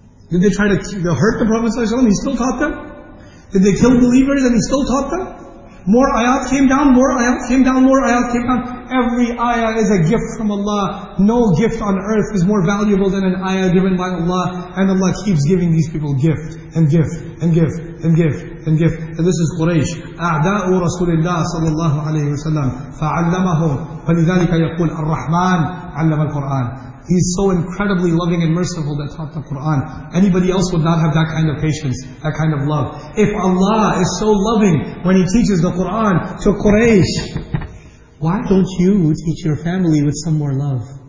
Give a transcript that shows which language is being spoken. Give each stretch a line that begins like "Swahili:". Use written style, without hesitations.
English: Did they try to hurt the Prophet ﷺ? He still taught them? Did they kill believers and he still taught them? More ayat came down, more ayat came down, more ayat came down. Every ayah is a gift from Allah. No gift on earth is more valuable than an ayah given by Allah. And Allah keeps giving these people gift, and gift, and gift, and gift, and gift. And this is Quraysh.
Arabic: أعداء رسول الله صلى الله عليه وسلم فعلمه فلذلك يقول الرحمن علم القرآن.
English: He's so incredibly loving and merciful that taught the Qur'an. Anybody else would not have that kind of patience, that kind of love. If Allah is so loving when He teaches the Qur'an to Quraysh, why don't you teach your family with some more love?